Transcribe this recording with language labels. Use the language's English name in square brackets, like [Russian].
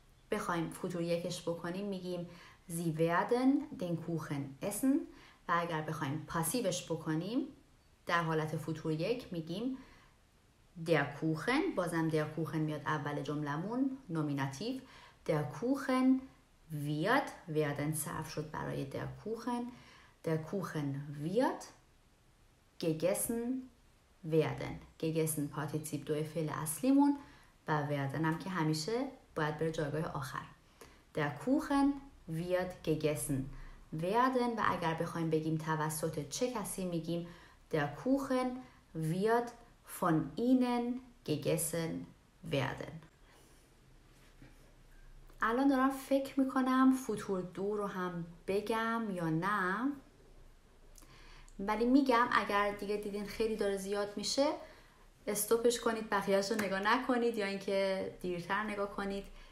[Persian] بخوایم فوتور یکش بکنیم، میگیم [German] Sie werden den Kuchen essen. [Persian] و اگر بخوایم پاسیوش بکنیم در حالت فوتور یک، میگیم Der Kuchen. بازم Der Kuchen میاد اول جملمون، نومیناتیو. [German] Der Kuchen wird، werden [Persian] صرف شد برای [German] der Kuchen wird gegessen werden. [Persian] gegessen پارتیسیپ دو فعل اصلیمون و werden هم که همیشه باید بره جایگاه آخر. [German] der Kuchen wird gegessen werden. [Persian] و اگر بخوایم بگیم توسط چه کسی، میگیم [German] der Kuchen wird von ihnen gegessen werden. [Persian] الان دارم فکر میکنم فوتور دو رو هم بگم یا نه، ولی میگم اگر دیگه دیدین خیلی داره زیاد میشه استوپش کنید، بقیهش رو نگاه نکنید، یا اینکه دیرتر نگاه کنید.